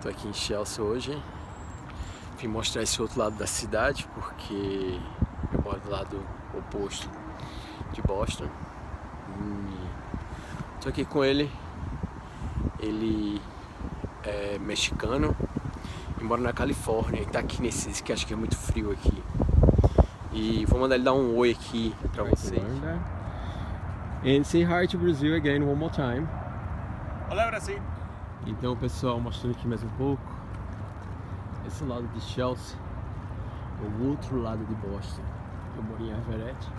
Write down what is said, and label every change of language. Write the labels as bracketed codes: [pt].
[pt] Chelsea hoje, vim mostrar esse outro lado da cidade, porque eu moro do lado oposto de Boston. Tô aqui com ele, ele é mexicano e mora na Califórnia, e tá aqui nesse que acho que é muito frio aqui. E vou mandar ele dar um oi aqui pra vocês. [en] And say hi to Brazil again one more time. [pt] Olá, Brasil! Então, pessoal, mostrando aqui mais um pouco. Esse lado de Chelsea, o outro lado de Boston, eu moro em Everett.